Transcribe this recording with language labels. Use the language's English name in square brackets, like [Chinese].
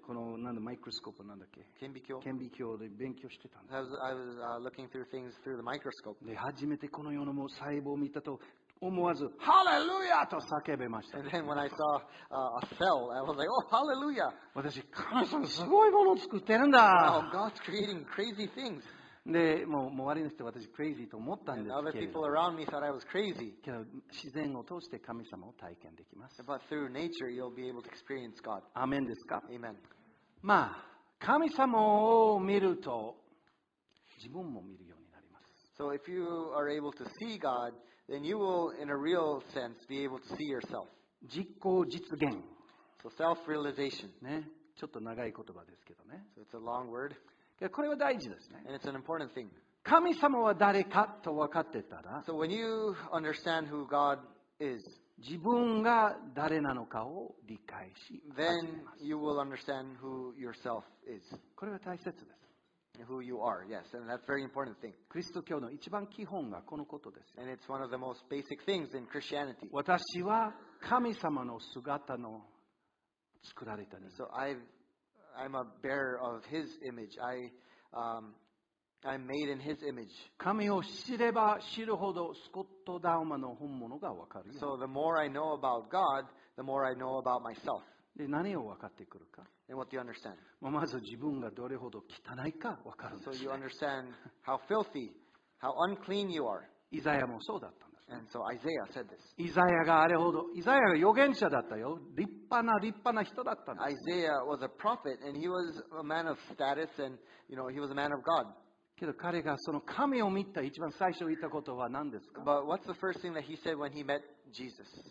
[Japanese] このなんだマイクロスコープなんだっけ？顕微鏡。顕微鏡で勉強してたんです。 [English] I was looking through things through the microscope. [Japanese] で初めてこの世のもう細胞を見たと。思わずハレルヤと叫びました。 [English] And then when I saw a cell, I was like, oh, hallelujah! [Japanese] 私、神様すごいものを作ってるんだ。 [English] Wow, God's creating crazy things. [Japanese] で、もう周りの人は私、crazy と思ったんですけど。 [English] And other people around me thought I was crazy. [Japanese] けど、自然を通して神様を体験できます。 [English] But through nature, you'll be able to experience God. [Japanese] アメンですか？ [English] Amen. [Japanese] まあ、神様を見ると、自分も見るようになります。 [English] So if you are able to see God,Then you will, in a real sense, be able to see yourself. [Japanese] 実行実現。 [English] So self-realization. [Japanese] ね、ちょっと長い言葉ですけどね。 [English] So it's a long word. [Japanese] これは大事ですね。 [English] And it's an important thing. [Japanese] 神様は誰かと分かってたら、 [English] So when you understand who God is, [Japanese] 自分が誰なのかを理解し始めます。 [English] Then you will understand who yourself is. [Japanese] これは大切です。 [English] Who you are, yes, and that's a very important thing. [Japanese] キリスト教の一番基本がこのことです。 [English] And it's one of the most basic things in Christianity. [Japanese] 私は神様の姿の作られた人。 [English] So I'm a bearer of His image. I'm made in His image. [Japanese] 神を知れば知るほどスコット・ダウマの本物がわかる。 [English] So the more I know about God, the more I know about myself. [Japanese] で何を分かってくるか。 [English] And what do you understand? [Japanese] まず自分がどれほど汚いか分かるんですね。 [English] So you understand how filthy, how unclean you are. [Japanese] イザヤもそうだったんです、ね。 [English] And so Isaiah said this. [Japanese] イザヤがあれほど、イザヤが預言者だったよ。立派な立派な人だったんです、ね。 [English] Isaiah was a prophet, and he was a man of status, and you know he was a man of God. [Japanese] けど彼がその神を見た一番最初言ったことは何ですか [English] ？But what's the first thing that he said when he met Jesus?